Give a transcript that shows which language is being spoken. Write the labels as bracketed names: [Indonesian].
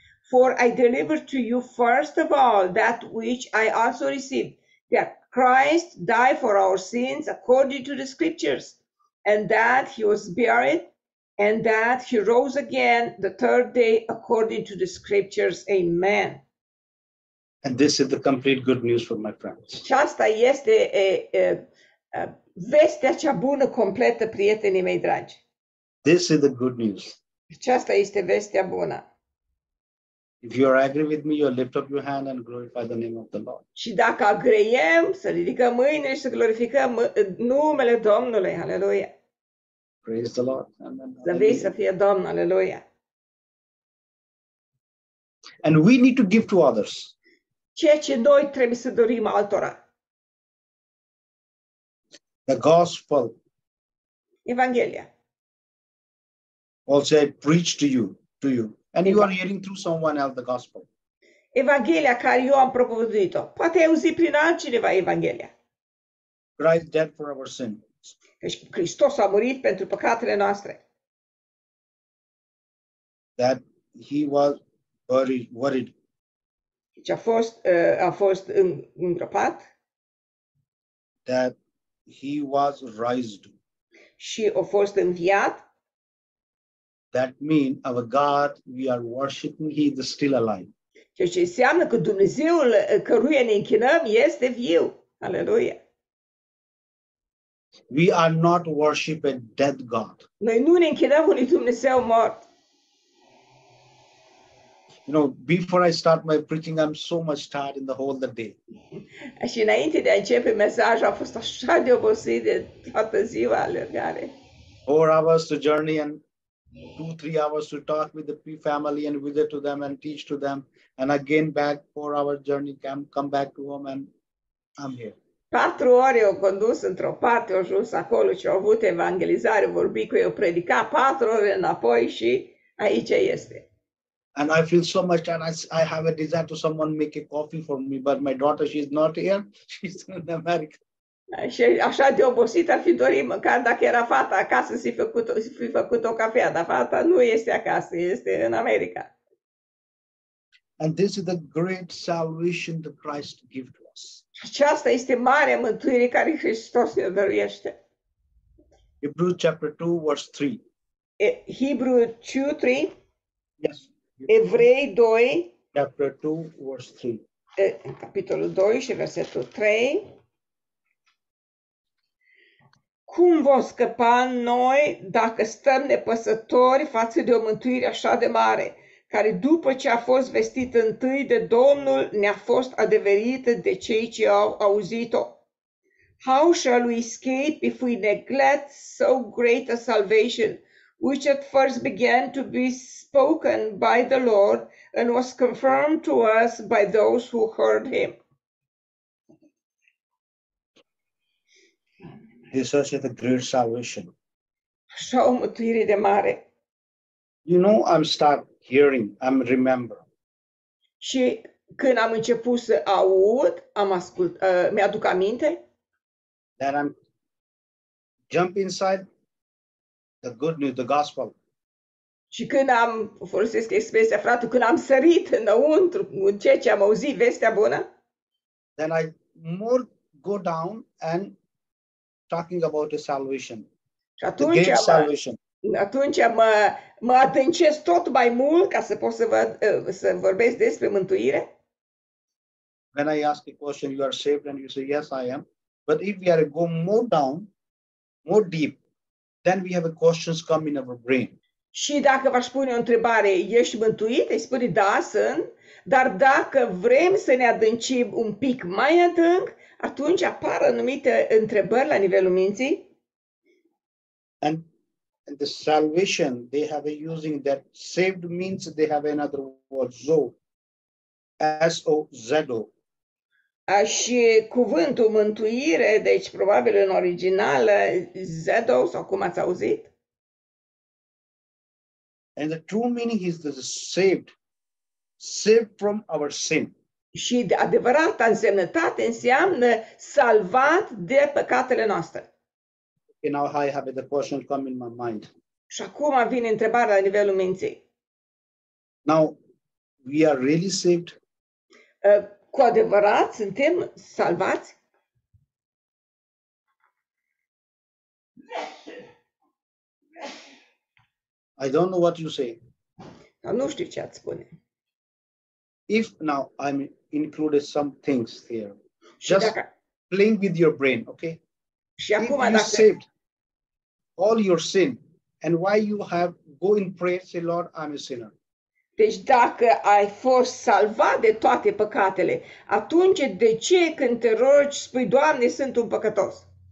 [English] For I delivered to you first of all that which I also received, that Christ died for our sins according to the Scriptures, and that he was buried, and that he rose again the third day according to the Scriptures. Amen. And this is the complete good news for my friends. [Romanian] Și asta este vestea cea bună completă, prietenii mei dragi. [English] This is the good news. [Romanian] Aceasta este vestea bună. [English] If you are agree with me, you lift up your hand and glorify the name of the Lord. [Romanian] Și dacă agreiem, să ridicăm mâinile și să glorificăm numele Domnului. Aleluia. [English] Praise the Lord. Amen. [Romanian] Să vii să fie Domn. Aleluia. [English] And we need to give to others. [Romanian] Ceea ce noi trebuie să dorim altora. [English] The gospel. [Romanian] Evanghelia. [English] Also I preach to you. And you are hearing through someone else the gospel. [Romanian] Evanghelia care eu am propovăduit-o. Poate ai auzit prin altcineva Evanghelia. [English] Christ died for our sin. [Romanian] Hristos a murit pentru păcatele noastre. [English] That he was worried. [Romanian] Deci a fost îngropat. [English] That he was raised. [Romanian] Și a fost înviat. [English] That means our God, we are worshiping, he is still alive. [Romanian] Ceea ce înseamnă că Dumnezeul căruia ne închinăm este viu. Aleluia. [English] We are not worship a dead God. [Romanian] Noi nu ne închinăm unui Dumnezeu mort. [English] You know, before I start my preaching, I'm so much tired in the whole the day. [Romanian] Și înainte de a începe mesajul, a fost așa de obosit de toată ziua alergare. [English] 4 hours to journey and 2-3 hours to talk with the family and visit to them and teach to them. And again back, 4 hours journey, come back to home and I'm here. [Romanian] 4 ore au condus într-o parte, au ajuns acolo și au avut evangelizare, vorbi cu ei, au predicat 4 ore înapoi și aici este. [English] And I feel so much, and I have a desire to someone make a coffee for me, but my daughter, she's not here, she's in America. [Romanian] Și așa de obosit ar fi dorit, măcar dacă era fata acasă, să fi făcut o cafea, dar fata nu este acasă, este în America. [English] And this is the great salvation that Christ gives to us. [Romanian] Aceasta este mare mântuire care Hristos ne dăruiește. [English] Hebrews chapter 2, verse 3. Hebrew 2, 3? Yes. [Romanian] Evrei 2, [English] chapter 2, verse 3. [Romanian] Capitolul 2 și versetul 3. Cum vom scăpa noi dacă stăm nepăsători față de o mântuire așa de mare, care după ce a fost vestită întâi de Domnul, ne-a fost adeverită de cei ce au auzit-o? [English] How shall we escape if we neglect so great a salvation, which at first began to be spoken by the Lord and was confirmed to us by those who heard him? This is a great salvation. [Romanian] Așa o mântuire de mare. [English] You know, I'm start hearing, I'm remember. [Romanian] Și când am început să aud, am ascult, mi-aduc aminte. [English] Then I'm jump inside the good news, the gospel. [Romanian] Și când am, folosesc expresia, frate, când am sărit înăuntru, în ceea ce am auzit, vestea bună. [English] Then I more go down and talking about the salvation. [Romanian] Și atunci [English] the salvation. [Romanian] Atunci mă atâncesc tot mai mult ca să pot să văd, să vorbesc despre mântuire. [English] When I ask a question, you are saved, and you say, yes, I am. But if we are go more down, more deep, then we have a questions come in our brain. [Romanian] Și dacă v-aș pune o întrebare, ești mântuit? Îi spune, da, sunt. Dar dacă vrem să ne adâncim un pic mai adânc, atunci apar anumite întrebări la nivelul minții. [English] And the salvation they have been using, that saved means they have another word, zo, S-O-Z-O. [Romanian] Și cuvântul mântuire, deci probabil în originală, zedo, sau cum ați auzit? [English] And the true meaning is the saved, saved from our sin. [Romanian] Și de adevărata însemnătate înseamnă salvat de păcatele noastre. [English] Okay, now I have the question come in my mind. [Romanian] Și acum vine întrebarea la nivelul minții. [English] Now, we are really saved? [Romanian] Cu adevărat suntem salvați? [English] I don't know what you say. [Romanian] Dar nu știu ce ați spune. [English] If now I'm included some things here, just playing with your brain, okay? [Romanian] Și acum, [English] if you [Romanian] dacă [English] saved all your sin, and why you have go in prayer, say, Lord, I'm a sinner. [Romanian] Deci dacă ai fost salvat de toate păcatele, atunci de ce când te rogi spui, Doamne, sunt un păcătos?